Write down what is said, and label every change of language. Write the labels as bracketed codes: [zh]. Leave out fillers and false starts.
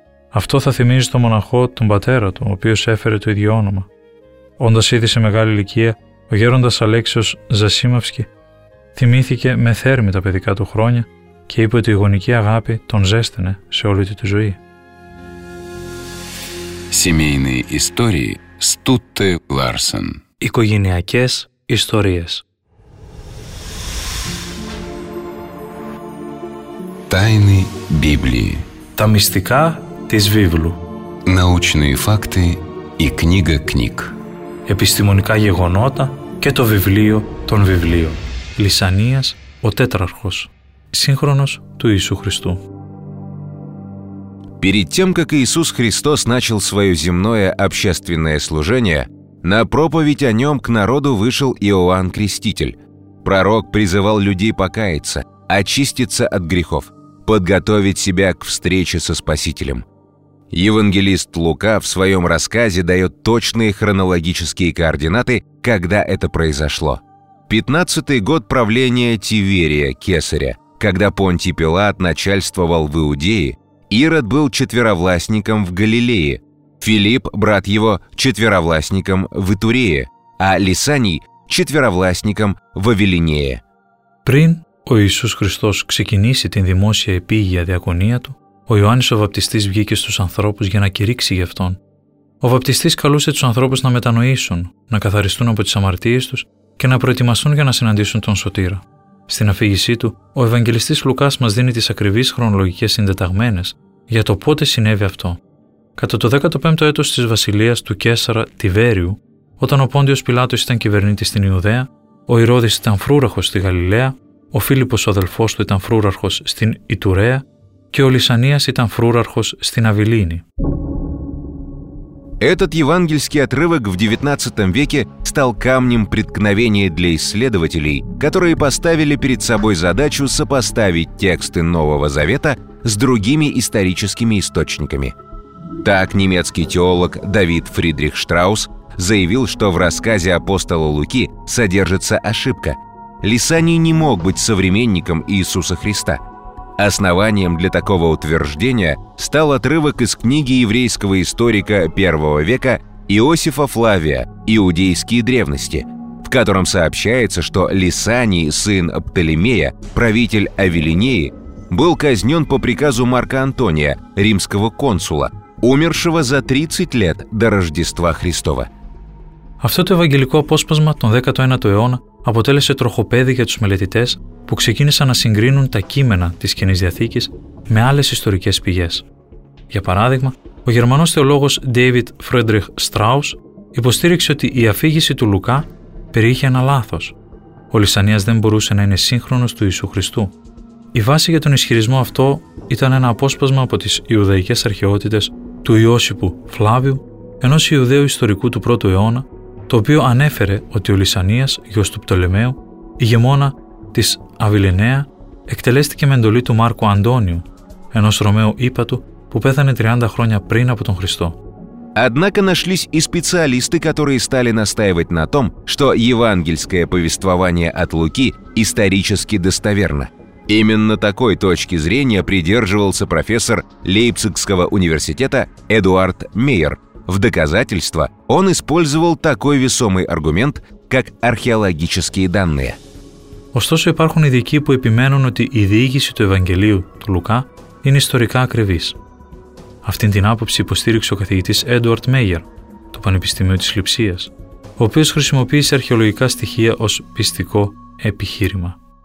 [el] Αυτό θα θυμίζει τον μοναχό τον πατέρα του, ο οποίος έφερε το ίδιο όνομα. Όντας ήδη σε μεγάλη ηλικία, ο γέροντας Αλέξιος Ζασίμαυσκι θυμήθηκε με θέρμη τα παιδικά του χρόνια και είπε ότι η γονική αγάπη τον ζέστηνε σε όλη τη ζωή. [ru] Семейные истории Стутте Ларсен. [el] Οικογενειακές ιστορίες. [ru] Тайны Библии. [el] Τα μυστικά της Βίβλου. [ru] Научные факты и книга книг. [el] Επιστημονικά γεγονότα και το βιβλίο των βιβλίων. Λυσανίας, ο Τέτραρχος, σύγχρονος του Ιησού Χριστού. [ru] Перед тем, как Иисус Христос начал свое земное общественное служение, на проповедь о нем к народу вышел Иоанн Креститель. Пророк призывал людей покаяться, очиститься от грехов, подготовить себя к встрече со Спасителем. Евангелист Лука в своем рассказе дает точные хронологические координаты, когда это произошло. 15-й год правления Тиверия, Кесаря, когда Понтий Пилат начальствовал в Иудее, Ирод был четверовластником в Галилее, Филипп, брат его, четверовластником в Итурее, а Лисаний – четверовластником в Авелинее. [el] Прин о Иисус Христос ксекинисе тин димосия эпигия диакония ту, ο Ιωάννης ο Βαπτιστής βγήκε στους ανθρώπους για να κηρύξει γι' αυτόν. Ο Βαπτιστής καλούσε τους ανθρώπους να μετανοήσουν, να καθαριστούν από τις αμαρτίες τους και να προετοιμαστούν για να συναντήσουν τον Σωτήρα. Στην αφήγησή του, ο Ευαγγελιστής Λουκάς μας δίνει τις ακριβείς χρονολογικές συντεταγμένες για το πότε συνέβη αυτό. Κατά το 15ο έτος της βασιλείας του Κέσαρα Τιβέριου, όταν ο Πόντιος Πιλάτος ήταν κυβερνήτης στην Ιουδαία, ο Ηρώδης ήταν φρούραχος στη Γαλιλαία, ο Φίλιππος ο αδελφός του ήταν φρούραρχος στην Ιτουρέα, και ο Λυσανίας ήταν φρούραρχος στην Αβυλίνη. [ru] Этот евангельский отрывок в XIX веке стал камнем преткновения для исследователей, которые поставили перед собой задачу сопоставить тексты Нового Завета с другими историческими источниками. Так немецкий теолог Давид Фридрих Штраус заявил, что в рассказе апостола Луки содержится ошибка. Лисаний не мог быть современником Иисуса Христа. Основанием для такого утверждения стал отрывок из книги еврейского историка первого века Иосифа Флавия «Иудейские древности», в котором сообщается, что Лисаний, сын Птолемея, правитель Авелинеи, был казнен по приказу Марка Антония, римского консула, умершего за 30 лет до Рождества Христова. [el] Αυτό το ευαγγελικό απόσπασμα τον 19ο αιώνα αποτέλεσε τροχοπέδι για τους μελετητές που ξεκίνησαν να συγκρίνουν τα κείμενα της Καινής Διαθήκης με άλλες ιστορικές πηγές. Για παράδειγμα, ο γερμανός θεολόγος David Friedrich Strauss υποστήριξε ότι η αφήγηση του Λουκά περιείχε ένα λάθος. Ο Λυσανίας δεν μπορούσε να είναι σύγχρονος του Ιησού Χριστού. Η βάση για τον ισχυρισμό αυτό ήταν ένα απόσπασμα από τις Ιουδαϊκές αρχαιότητες του Ιώσιπου Φλάβιου, ενός Ιουδαίου ιστορικού του 1ου αιώνα, το οποίο ανέφερε ότι ο Λυσανίας, γιος του Πτολεμαίου, ηγεμόνα της Αβιλενέα, εκτελέστηκε με εντολή του Μάρκου Αντώνιου, ενός Ρωμαίου ύπατου που πέθανε 30 χρόνια πριν από τον Χριστό. [ru] Однако нашлись и специалисты, которые стали настаивать на том, что евангельское повествование от Луки исторически достоверно. Именно такой точки зрения придерживался профессор Лейпцигского университета Эдуард Мейер. В доказательство он использовал такой весомый аргумент, как археологические данные. [el] Ωστόσο, υπάρχουν ειδικοί που επιμένουν ότι η διήγηση του Ευαγγελίου του Λουκά είναι ιστορικά ακριβής. Αυτήν την άποψη υποστήριξε ο καθηγητής Έντουαρτ Μέγερ, του Πανεπιστημίου της Λειψίας, ο οποίος χρησιμοποίησε αρχαιολογικά στοιχεία ως πιστικό επιχείρημα.